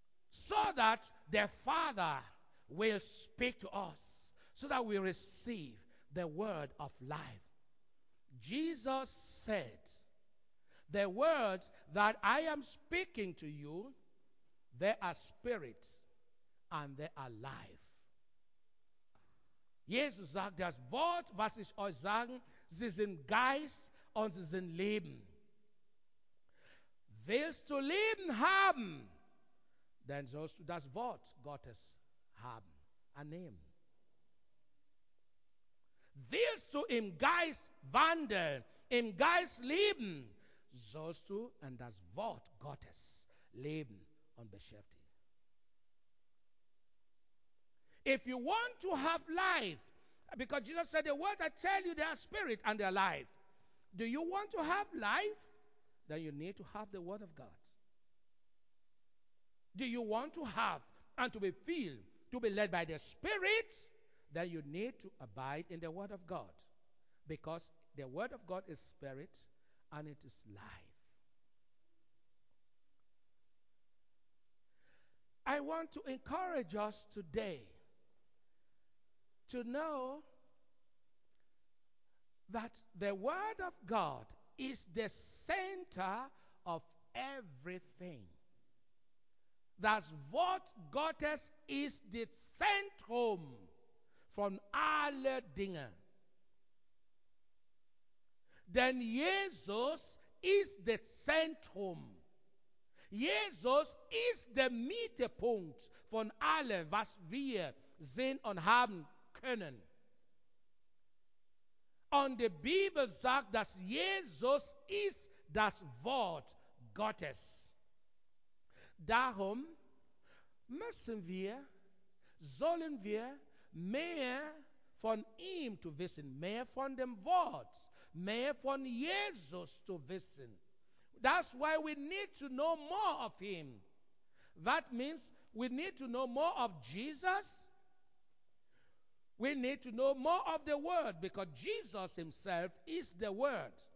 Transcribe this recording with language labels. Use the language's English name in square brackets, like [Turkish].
[English] So that the Father will speak to us, so that we receive the word of life. Jesus said, the words that I am speaking to you, they are spirit and they are life. [German] Jesus sagt, das Wort, was ich euch sage, sie sind Geist und sie sind Leben. Willst du Leben haben, dann sollst du das Wort Gottes haben, annehmen. Willst du im Geist wandeln, im Geist leben, sollst du an das Wort Gottes leben und beschäftigen. [English] If you want to have life, because Jesus said, the words I tell you, they are spirit and they are life. Do you want to have life? Then you need to have the word of God. Do you want to have and to be filled, to be led by the Spirit? Then you need to abide in the word of God. Because the word of God is spirit and it is life. I want to encourage us today to know that the word of God is the center of everything. [German] Das Wort Gottes ist das Zentrum von allen Dingen. Denn Jesus ist das Zentrum. Jesus ist der Mittelpunkt von allem, was wir sehen und haben können. Und die Bibel sagt, dass Jesus ist das Wort Gottes. Darum müssen wir, sollen wir mehr von ihm zu wissen, mehr von dem Wort, mehr von Jesus zu wissen. [English] That's why we need to know more of him. That means we need to know more of Jesus. We need to know more of the Word, because Jesus himself is the Word.